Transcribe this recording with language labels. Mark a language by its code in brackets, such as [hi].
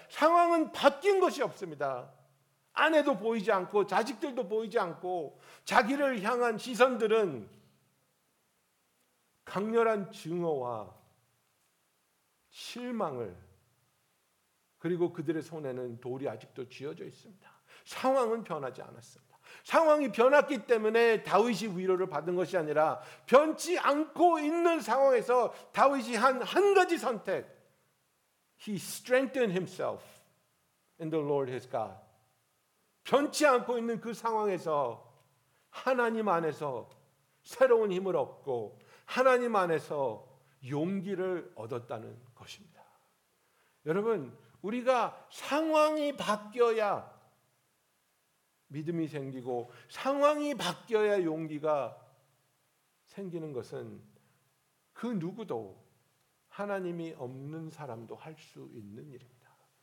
[ko] 상황은 바뀐 것이 없습니다. 아내도 보이지 않고 자식들도 보이지 않고 자기를 향한 시선들은 강렬한 증오와 실망을 그리고 그들의 손에는 돌이 아직도 쥐어져 있습니다. 상황은 변하지 않았습니다. 상황이 변했기 때문에 다윗이 위로를 받은 것이 아니라 변치 않고 있는 상황에서 다윗이 한 가지 선택. [en] He strengthened himself in the Lord his God. [ko] 변치 않고 있는 그 상황에서 하나님 안에서 새로운 힘을 얻고 하나님 안에서 용기를 얻었다는 것입니다. 여러분, 우리가 상황이 바뀌어야 믿음이 생기고 상황이 바뀌어야 용기가 생기는 것은 그 누구도 하나님이 없는 사람도 할 수 있는 일입니다.